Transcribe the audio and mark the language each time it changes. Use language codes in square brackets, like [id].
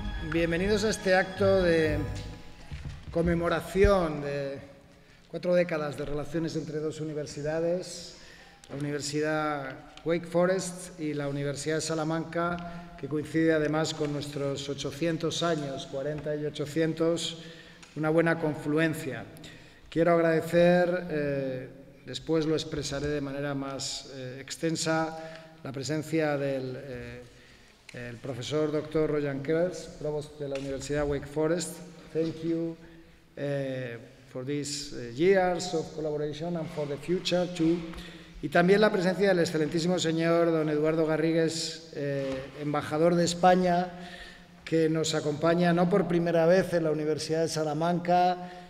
[es] Bienvenidos a este acto de conmemoración de 4 décadas de relaciones entre 2 universidades, la Universidad Wake Forest y la Universidad de Salamanca, que coincide además con nuestros 800 años, 40 y 800, una buena confluencia. Quiero agradecer, después lo expresaré de manera más extensa, la presencia del el profesor Dr. Roger Kers, provost de la Universidad Wake Forest. [en] Thank you for these years of collaboration and for the future too. [es] Y también la presencia del excelentísimo señor don Eduardo Garrigues, embajador de España, que nos acompaña no por primera vez en la Universidad de Salamanca.